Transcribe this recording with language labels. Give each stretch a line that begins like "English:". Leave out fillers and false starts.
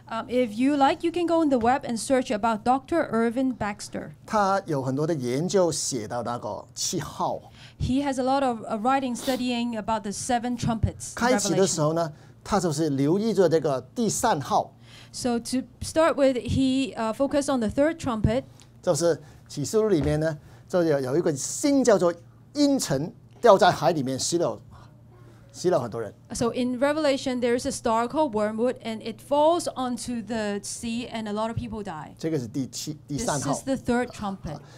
English: If you like, you can go on the web and search about Dr. Irvin Baxter.
Chinese: 他有很多的研究写到那个七号。
English: He has a lot of writing studying about the seven trumpets.
Chinese: 开始的时候呢，他就是留意着这个第三号。
English: So to start with, he focused on the third trumpet.
Chinese: 就是启示录里面呢，就有一个星叫做阴沉，掉在海里面死了。死了很多人。
English: So in Revelation, there is a star called Wormwood, and it falls onto the sea, and a lot of people die.
Chinese: 这个是第三号。
English: This is the third trumpet.